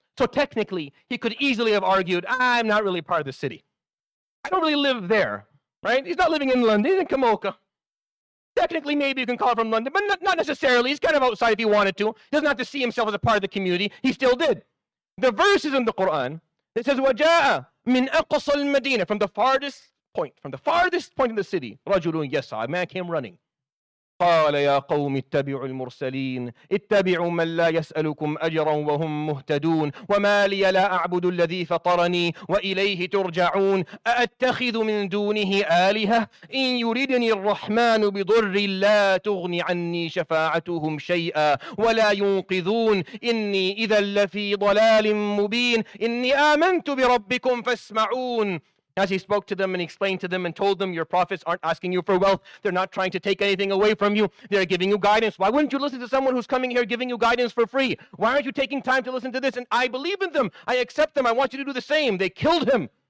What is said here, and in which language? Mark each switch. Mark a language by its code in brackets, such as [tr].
[en] So technically, he could easily have argued, "I'm not really part of the city. I don't really live there," right? He's not living in London. He's in Kamoka. Technically, maybe you can call from London, but not necessarily. He's kind of outside if he wanted to. He doesn't have to see himself as a part of the community. He still did. The verse is in the Quran. It says, [ar] "وَجَاءَ مِنْ أَقْصَى الْمَدِينَةِ." [en] From the farthest point, from the farthest point in the city, [ar] رَجُلٌ يَسْعَى, [en] a man came running. [ar] قال يا قوم اتبعوا المرسلين اتبعوا من لا يسألكم أجرا وهم مهتدون وما لي لا أعبد الذي فطرني وإليه ترجعون أأتخذ من دونه آلهة إن يردني الرحمن بضر لا تغني عني شفاعتهم شيئا ولا ينقذون إني إذا لفي ضلال مبين إني آمنت بربكم فاسمعون. [en] As he spoke to them and explained to them and told them, your prophets aren't asking you for wealth. They're not trying to take anything away from you. They're giving you guidance. Why wouldn't you listen to someone who's coming here giving you guidance for free? Why aren't you taking time to listen to this? And I believe in them. I accept them. I want you to do the same. They killed him.